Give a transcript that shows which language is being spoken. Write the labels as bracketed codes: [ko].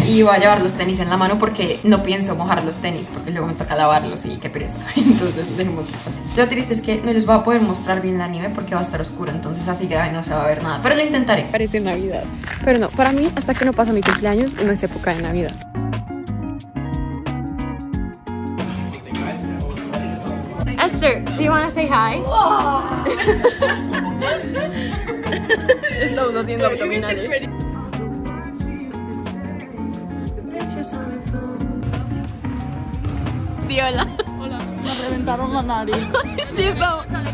[es] Y voy a llevar los tenis en la mano porque no pienso mojar los tenis, porque luego me toca lavarlos y qué pereza. Entonces dejemos eso así. Lo triste es que no les voy a poder mostrar bien la nieve porque va a estar oscuro, entonces así grave no se va a ver nada. Pero lo intentaré. Parece Navidad. Pero no, para mí, hasta que no pasa mi cumpleaños, no es época de Navidad. [en] Esther, do you want to say hi? [es] Estamos haciendo abdominales. Hola. Hola. Me reventaron la nariz. Sí, estamos.